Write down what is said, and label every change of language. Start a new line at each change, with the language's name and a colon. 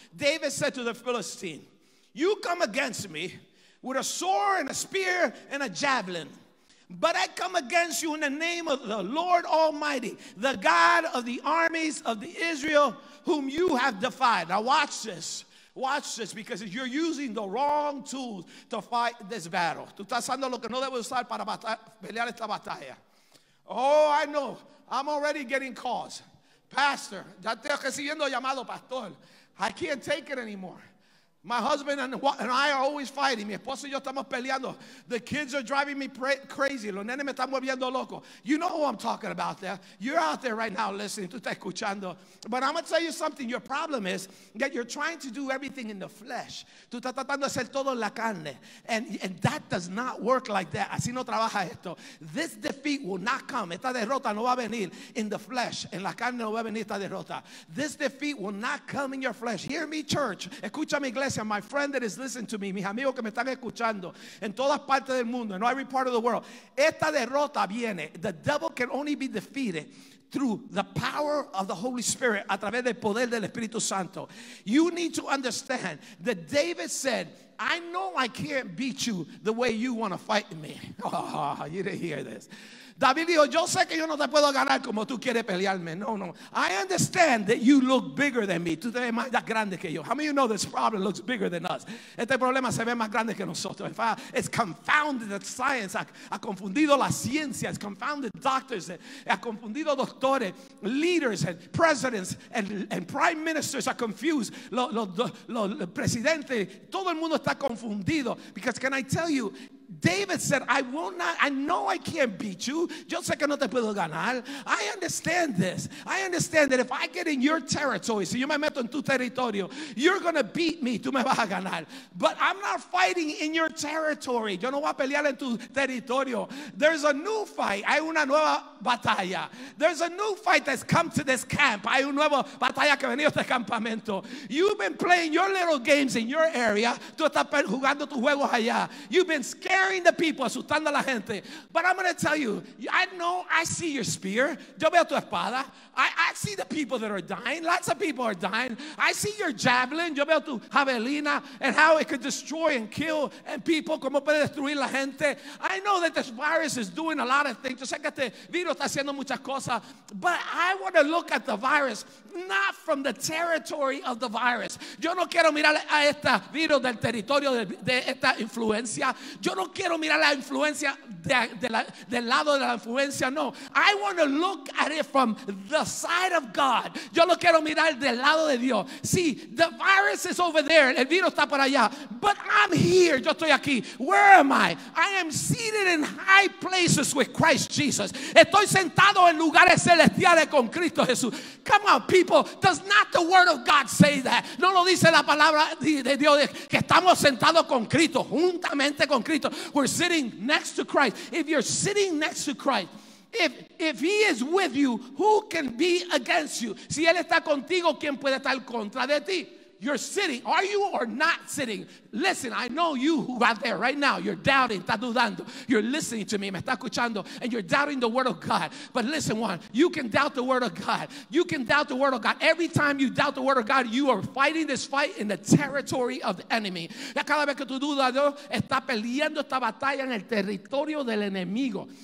English: David said to the Philistine, you come against me with a sword and a spear and a javelin. But I come against you in the name of the Lord Almighty, the God of the armies of the Israel whom you have defied. Now watch this. Watch this, because you're using the wrong tools to fight this battle.
Spanish: Tú estás usando lo que no debes usar para pelear esta batalla.
English: Oh, I know. I'm already getting calls. Pastor,
Spanish: ya estoy recibiendo llamado, pastor.
English: I can't take it anymore. My husband and I are always fighting.
Spanish: Mi esposo y yo estamos peleando.
English: The kids are driving me crazy.
Spanish: Los nenes me están volviendo loco.
English: You know who I'm talking about there. You're out there right now listening.
Spanish: Tú estás escuchando.
English: But I'm going to tell you something. Your problem is that you're trying to do everything in the flesh.
Spanish: Tú estás tratando de hacer todo en la carne.
English: And that does not work like that.
Spanish: Así no trabaja esto.
English: This defeat will not come.
Spanish: Esta derrota no va a venir
English: in the flesh.
Spanish: En la carne no va a venir esta derrota.
English: This defeat will not come in your flesh. Hear me, church.
Spanish: Escúchame, iglesia.
English: My friend that is listening to me,
Spanish: mis amigos que me están escuchando en todas partes del mundo,
English: in every part of the world,
Spanish: esta derrota viene.
English: The devil can only be defeated through the power of the Holy Spirit,
Spanish: a través del poder del Espíritu Santo.
English: You need to understand that David said, I know I can't beat you the way you want to fight me. Oh, you didn't hear this.
Spanish: David dijo, yo sé que yo no te puedo ganar como tú quieres pelearme.
English: No, no. I understand that you look bigger than me.
Spanish: Tú te ves más grande que yo.
English: How many of you know this problem looks bigger than us?
Spanish: Este problema se ve más grande que nosotros.
English: In fact, it's confounded the science.
Spanish: Ha confundido la ciencia.
English: It's confounded doctors.
Spanish: Ha confundido doctores.
English: Leaders and presidents and prime ministers are confused.
Spanish: Los presidentes, todo el mundo está confundido.
English: Because can I tell you, David said, I will not, I know I can't beat you.
Spanish: Yo sé que no te puedo ganar.
English: I understand this. I understand that if I get in your territory,
Spanish: si yo me meto en tu territorio,
English: you're going to beat me.
Spanish: Tú me vas a ganar.
English: But I'm not fighting in your territory.
Spanish: Yo no voy a pelear en tu territorio.
English: There's a new fight.
Spanish: Hay una nueva batalla.
English: There's a new fight that's come to this camp.
Spanish: Hay una nueva batalla que ha venido a este campamento.
English: You've been playing your little games in your area.
Spanish: Tú estás jugando tus juegos allá.
English: You've been scared. Scaring the people,
Spanish: asustando a la gente.
English: But I'm going to tell you, I know, I see your spear.
Spanish: Yo veo tu espada.
English: I see the people that are dying. Lots of people are dying. I see your javelin.
Spanish: Yo veo tu javelina
English: and how it could destroy and kill and people.
Spanish: Como puede destruir la gente.
English: I know that this virus is doing a lot of things.
Spanish: Yo sé que este virus está haciendo muchas cosas.
English: But I want to look at the virus not from the territory of the virus.
Spanish: Yo no quiero mirar a este virus del territorio de esta influencia. Yo no quiero mirar la influencia del lado de la influencia, no.
English: I want to look at it from the side of God.
Spanish: Yo lo quiero mirar del lado de Dios.
English: Sí, the virus is over there.
Spanish: El virus está por allá.
English: But I'm here.
Spanish: Yo estoy aquí.
English: Where am I? I am seated in high places with Christ Jesus.
Spanish: Estoy sentado en lugares celestiales con Cristo Jesús.
English: Come on, people. Does not the word of God say that?
Spanish: No lo dice la palabra de Dios que estamos sentados con Cristo, juntamente con Cristo.
English: We're sitting next to Christ. If you're sitting next to Christ, if he is with you, who can be against you?
Spanish: Si él está contigo, ¿quién puede estar contra de ti?
English: You're sitting. Are you or not sitting? Listen, I know you who are there right now. You're doubting,
Spanish: está dudando.
English: You're listening to me,
Spanish: me está escuchando,
English: and you're doubting the word of God. But listen, Juan, you can doubt the word of God. You can doubt the word of God. Every time you doubt the word of God, you are fighting this fight in the territory of the enemy.
Spanish: Ya cada vez que tú dudas, está peleando esta batalla en el territorio del enemigo.